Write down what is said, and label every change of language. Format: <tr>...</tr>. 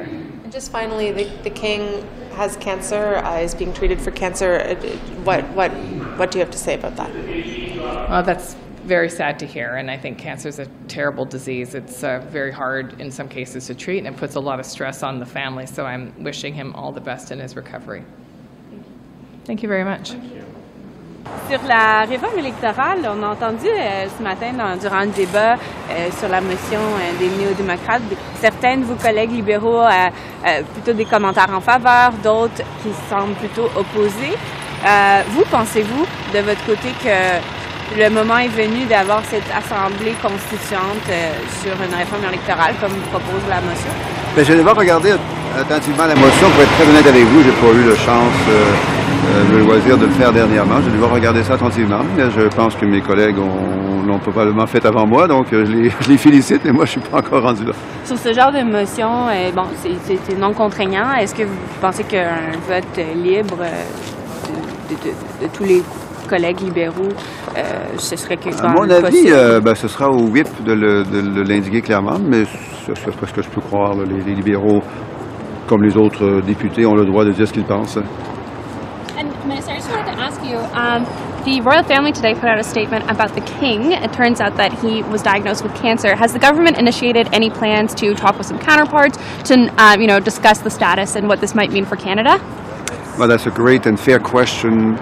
<en>And just finally, the King has cancer, is being treated for cancer. What do you have to say about that? Well, that's very sad to hear, and I think cancer is a terrible disease. It's very hard in some cases to treat, and it puts a lot of stress on the family, so I'm wishing him all the best in his recovery. Thank you very much.</en> <fr>Sur la réforme électorale, on a entendu ce matin durant le débat sur la motion des néo-démocrates, certains de vos collègues libéraux ont plutôt des commentaires en faveur, d'autres qui semblent plutôt opposés. Vous, pensez-vous de votre côté que le moment est venu d'avoir cette assemblée constituante sur une réforme électorale comme propose la motion? Bien, je n'ai pas regardé attentivement la motion. Pour être très honnête avec vous, je n'ai pas eu la chance, le loisir de le faire dernièrement. Je vais regarder ça attentivement. Je pense que mes collègues l'ont probablement fait avant moi, donc je les félicite, mais moi, je ne suis pas encore rendu là. Sur ce genre de motion, bon, c'est non contraignant. Est-ce que vous pensez qu'un vote libre de tous les collègues libéraux, ce serait quelque chose. À mon avis, ce sera au WIP de l'indiquer clairement, mais c'est parce que je peux croire, là, les libéraux, comme les autres députés, ont le droit de dire ce qu'ils pensent.</fr> <en>And Minister, I just wanted to ask you, the royal family today put out a statement about the King. It turns out that he was diagnosed with cancer. Has the government initiated any plans to talk with some counterparts to discuss the status and what this might mean for Canada? Well, that's a great and fair question.</en>